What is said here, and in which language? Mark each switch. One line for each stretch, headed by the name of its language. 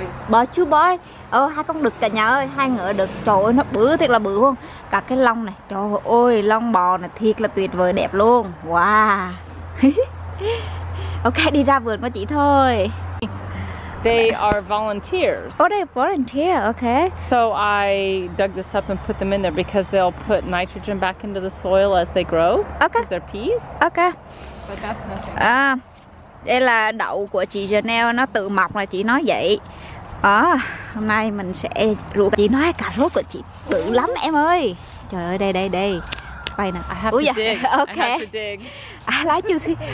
English: Boy.
Vietnamese: Chú boy. Ồ, hai con đực cả nhà ơi, hai ngựa đực. Trời ơi, nó bự thiệt là bự luôn. Cả cái lông này, trời ơi, lông bò này thiệt là tuyệt vời đẹp luôn. Wow. Ok, đi ra vườn của chị thôi.
English: They are volunteers. Oh, they're volunteer, okay. So I dug this up and put them in there because they'll put nitrogen back into the soil as they grow. Okay. They're peas. Okay. But that's nothing.
Vietnamese: Đây là đậu của chị Janelle, nó tự mọc là chị nói vậy. Hôm nay mình sẽ rủ chị nói cà rốt của chị bự lắm em ơi. Trời ơi, đây. Quay nè.
English: I have to dig. Okay. I have to dig.
Vietnamese: À, lá chưa xin.